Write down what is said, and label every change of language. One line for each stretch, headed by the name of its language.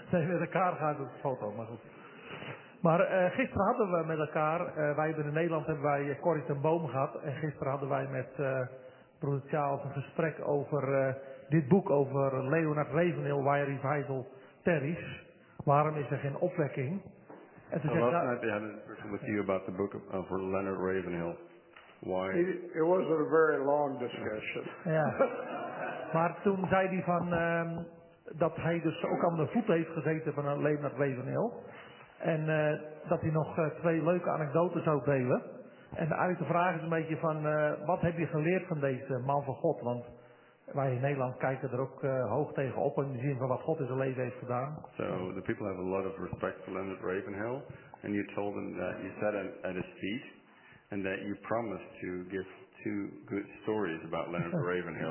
Dutch: Nee, met elkaar gaat het foto, maar goed. Maar gisteren hadden we met elkaar... wij hebben in Nederland hebben wij Corrie ten Boom gehad. En gisteren hadden wij met broeder Charles een gesprek over dit boek... over Leonard Ravenhill, Why Revival Tarries. Waarom is er geen opwekking...
English: So last night they had a discussion with you about the book of Leonard Ravenhill. Why? It wasn't a very long discussion. Yeah.
Dutch: Maar toen zei hij van dat hij dus ook aan de voeten heeft gezeten van Leonard Ravenhill. En dat hij nog twee leuke anekdoten zou delen. En eigenlijk de vraag is een beetje van wat heb je geleerd van deze man van God? Want wij in Nederland kijken er ook hoog tegen op in de zin van wat God in zijn leven heeft gedaan.
English: So the people have a lot of respect for Leonard Ravenhill, and you told them that you sat at his feet, and that you promised to give two good stories about Leonard Ravenhill.